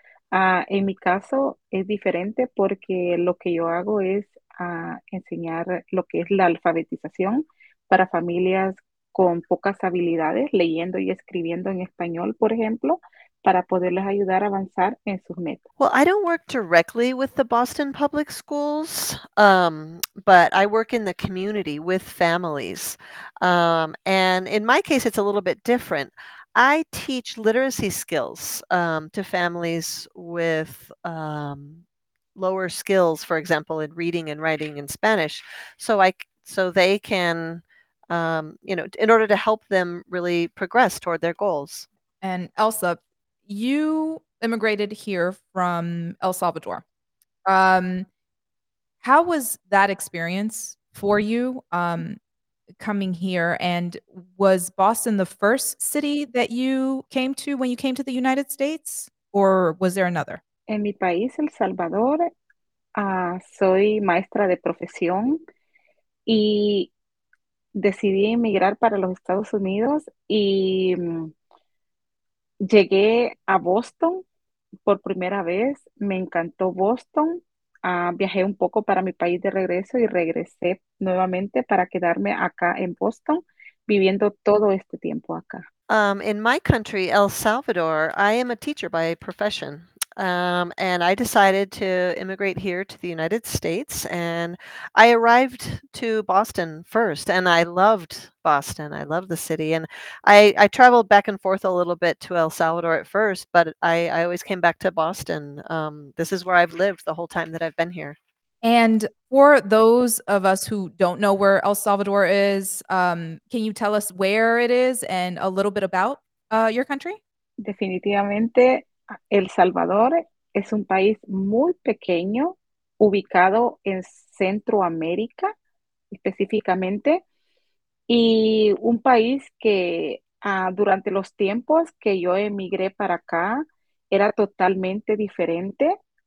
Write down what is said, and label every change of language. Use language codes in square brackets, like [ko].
[es] En mi caso es diferente porque lo que yo hago es enseñar lo que es la alfabetización para familias con pocas habilidades, leyendo y escribiendo en español, por ejemplo, para poderles ayudar a avanzar en sus metas. [en] Well, I don't work directly with the Boston Public Schools, but I work in the community with families. And in my case, it's a little bit different. I teach literacy skills to families with lower skills, for example, in reading and writing in Spanish, so they can, in order to help them really progress toward their goals. And Elsa, you immigrated here from El Salvador. How was that experience for you coming here? And was Boston the first city that you came to when you came to the United States? Or was there another? [es] En mi país, El Salvador, soy maestra de profesión. Y decidí emigrar para los Estados Unidos. Y llegué a Boston por primera vez. Me encantó Boston. Viajé un poco para mi país de regreso y regresé nuevamente para quedarme acá en Boston, viviendo todo este tiempo acá. [en] In my country, El Salvador, I am a teacher by profession. And I decided to immigrate here to the United States. And I arrived to Boston first, and I loved Boston. I love the city. And I traveled back and forth a little bit to El Salvador at first, but I always came back to Boston. This is where I've lived the whole time that I've been here. And for those of us who don't know where El Salvador is, can you tell us where it is and a little bit about your country? [es] Definitivamente. El Salvador es un país muy pequeño, ubicado en Centroamérica específicamente, y un país que durante los tiempos que yo emigré para acá era totalmente diferente.